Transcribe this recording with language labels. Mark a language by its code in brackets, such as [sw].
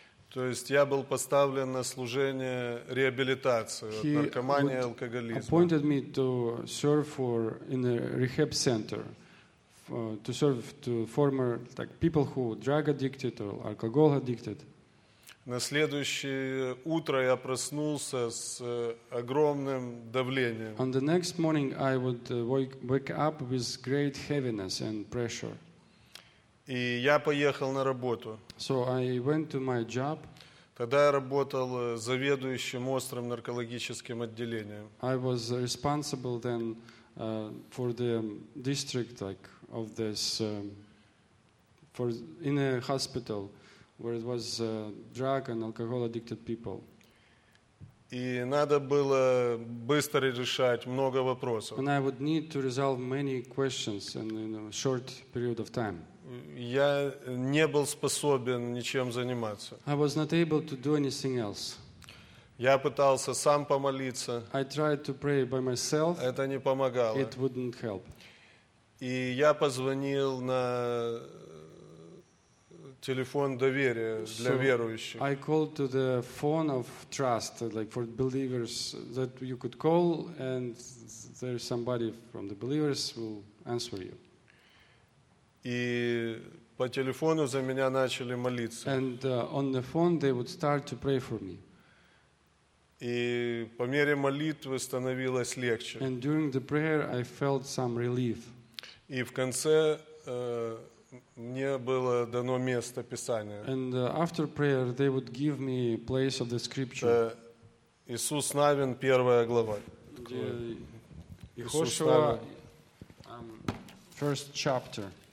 [ru] То есть я был поставлен на служение реабилитации от наркомании, алкоголизма. [en] He appointed me to serve for in a rehab center, to serve to former like people who drug addicted or alcohol addicted. [ru] На следующее утро я проснулся с огромным давлением. [en] On the next morning I would wake up with great heaviness and pressure. [ru] И я поехал на работу. [en] So I went to my job. [ru] Тогда я работал заведующим острым наркологическим отделением. [en] I was responsible then for the district like of this for in a hospital. Where it was drug and alcohol addicted people. [ru] И надо было быстро решать много вопросов. [en] And I would need to resolve many questions in a short period of time. [ru] Я не был способен ничем заниматься. [en] I was not able to do anything else. [ru] Я пытался сам помолиться. [en] I tried to pray by myself. [ru] Это не помогало. [en] It wouldn't help. [ru] И я позвонил на телефон доверия для верующих. [en] I called to the phone of trust, like for believers, that you could call, and there's somebody from the believers will answer you. [ru] И по телефону за меня начали молиться. [en] And on the phone they would start to pray for me. [ru] И по мере молитвы становилось легче. [en] And during the prayer I felt some relief. [ru] И в конце мне было дано место Писания. [en] And after prayer, they would give me place of the scripture. [ru] Иисус Навин, первая глава. [en] Иисуса, first chapter.